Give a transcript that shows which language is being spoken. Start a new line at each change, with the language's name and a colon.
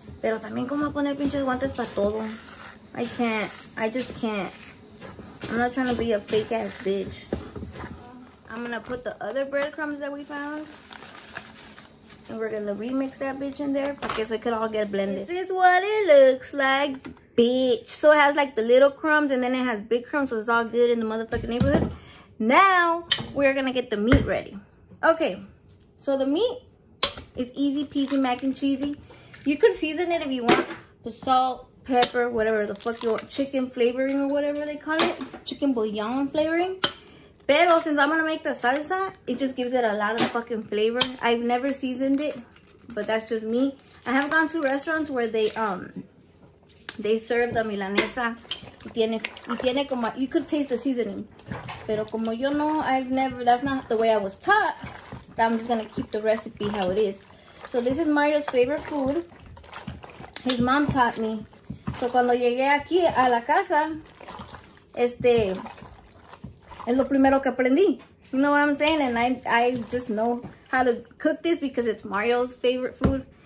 Spanish: Pero también como a poner pinches guantes para todo.
English: I can't. I just can't. I'm not trying to be a fake ass bitch. I'm gonna put the other breadcrumbs that we found. And we're gonna remix that bitch in there. Because it could all get blended. This is what it looks like, bitch. So it has like the little crumbs and then it has big crumbs. So it's all good in the motherfucking neighborhood. Now, we're gonna get the meat ready. Okay. So the meat is easy peasy mac and cheesy. You could season it if you want. The salt, pepper, whatever the fuck you want. Chicken flavoring or whatever they call it. Chicken bouillon flavoring. Pero since I'm gonna make the salsa, it just gives it a lot of fucking flavor. I've never seasoned it, but that's just me. I have gone to restaurants where they serve the Milanesa. You could taste the seasoning.
Spanish: Pero como yo no,
English: I've never, that's not the way I was taught. I'm just gonna keep the recipe how it is. So this is Mario's favorite food. His mom taught me.
Spanish: So cuando llegué aquí a la casa, es lo primero que aprendí.
English: You know what I'm saying? And I just know how to cook this because it's Mario's favorite food.